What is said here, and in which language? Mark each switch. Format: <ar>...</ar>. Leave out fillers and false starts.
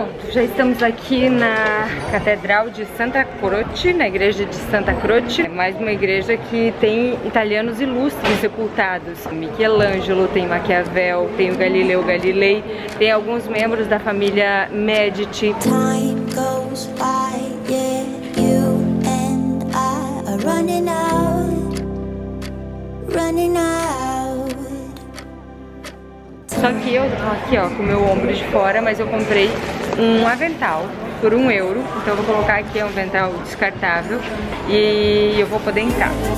<pt>Já estamos aqui na Catedral de Santa Croce, na Igreja de Santa Croce. É mais uma igreja que tem italianos ilustres sepultados. Michelangelo, tem Maquiavel, tem o Galileu Galilei, tem alguns membros da família Medici.</pt> <en>Time goes by, yeah, you and I are running out, running out.</en> <pt>Só que eu tô aqui, ó, com o meu ombro de fora, mas eu comprei um avental por 1 euro, então eu vou colocar aqui, é um avental descartável e eu vou poder entrar.</pt>